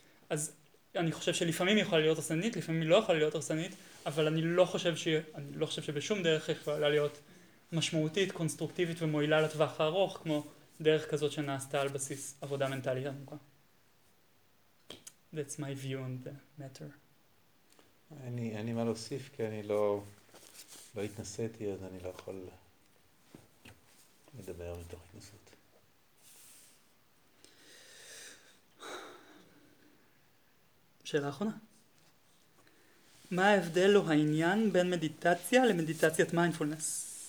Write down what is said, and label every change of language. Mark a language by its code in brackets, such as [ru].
[he] אז אני חושב שלפעמים היא יכולה להיות הרסנית, לפעמים היא לא יכולה להיות הרסנית, אבל אני לא חושב שבשום דרך היא יכולה להיות משמעותית, קונסטרוקטיבית ומועילה לטווח הארוך, כמו דרך כזאת שנעשתה על בסיס עבודה מנטלית עמוקה. [en] That's my view on the matter. [he] אני מה להוסיף, כי אני לא התנסיתי, אז אני לא יכול לדבר מתוך התנסות. שאלה אחרונה. מה ההבדל או העניין בין מדיטציה למדיטציית מיינדפולנס?